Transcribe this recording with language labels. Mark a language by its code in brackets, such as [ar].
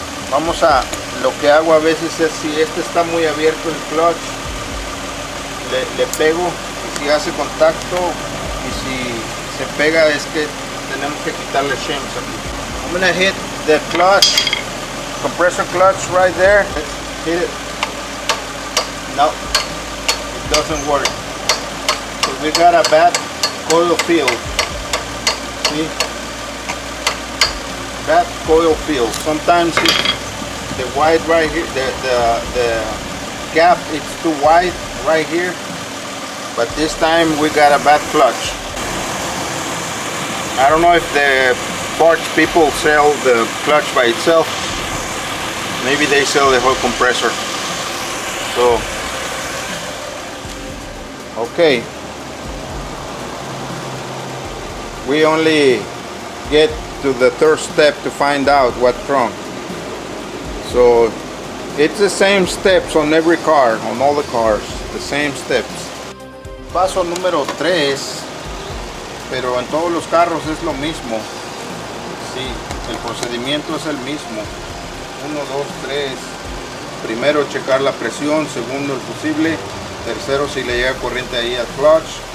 [es] Vamos a, lo que hago a veces es, si este está muy abierto el clutch, Le pego, y si hace contacto y si se pega, es que tenemos que quitarle shims aquí. [en] I'm gonna hit the clutch, compressor clutch right there. Let's hit it. No, it doesn't work. So we got a bad coil field. See? Bad coil field. Sometimes the wide right here, the gap is too wide right here. But this time we got a bad clutch. I don't know if the parts people sell the clutch by itself. Maybe they sell the whole compressor. So, okay. We only get to the third step to find out what's wrong. So, it's the same steps on every car, on all the cars, the same steps. [es] Paso número 3, pero en todos los carros es lo mismo. Sí, el procedimiento es el mismo. 1, 2, 3. Primero checar la presión, segundo el fusible, tercero si le llega corriente ahí al clutch.